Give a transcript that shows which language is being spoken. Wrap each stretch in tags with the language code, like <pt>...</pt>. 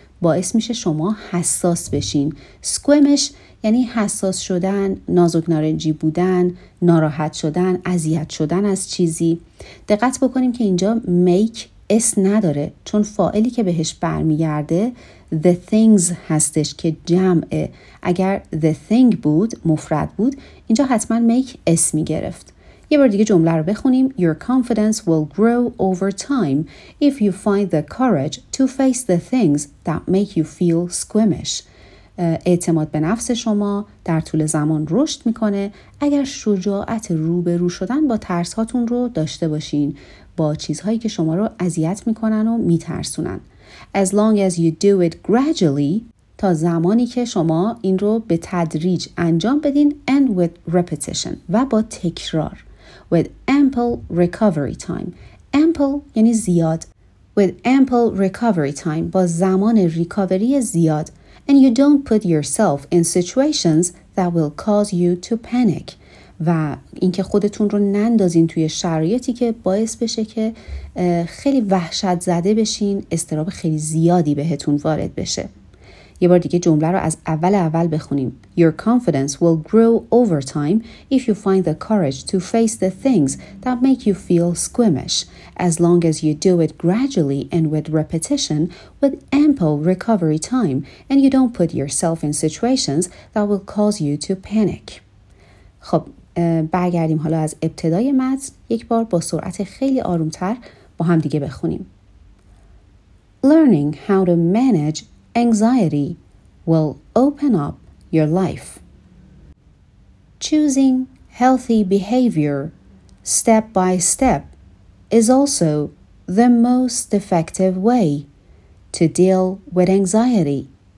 <fa>باعث میشه شما حساس بشین. سکویمش یعنی حساس شدن، نازک نارنجی بودن، ناراحت شدن، اذیت شدن از چیزی. دقت بکنیم که اینجا make اس نداره، چون فاعلی که بهش برمیگرده the things هستش که جمعه. اگر the thing بود، مفرد بود، اینجا حتما make اس میگرفت. یه بار دیگه جمله رو بخونیم.</fa> <en>Your confidence will grow over time if you find the courage to face the things that make you feel squeamish.</en> <fa>اعتماد به نفس شما در طول زمان رشد میکنه اگر شجاعت روبرو شدن با ترس هاتون رو داشته باشین، با چیزهایی که شما رو اذیت میکنن و میترسونن.</fa> <en>As long as you do it gradually،</en> <fa>تا زمانی که شما این رو به تدریج انجام بدین،</fa> <en>and with repetition،</en> <fa>و با تکرار.</fa> <en>With ample recovery time. Ample</en> <fa>یعنی زیاد.</fa> <en>With ample recovery time،</en> <fa>با زمان ریکاوری زیاد.</fa> <en>And you don't put yourself in situations that will cause you to panic.</en> <fa>و اینکه خودتون رو نندازین توی شرایطی که باعث بشه که خیلی وحشت زده بشین، استراب خیلی زیادی بهتون وارد بشه. یه بار دیگه جمله رو از اول بخونیم.</fa> <en>Your confidence will grow over time if you find the courage to face the things that make you feel squeamish. As long as you do it gradually and with repetition, with ample recovery time, and you don't put yourself in situations that will cause you to panic.</en> <fa>خب برگردیم حالا از ابتدای متن، یک بار با سرعت خیلی آرومتر با هم دیگه بخونیم.</fa> <en>Learning how to manage anxiety will open up your life. Choosing healthy behavior step by step is also the most effective way to deal with anxiety.</en>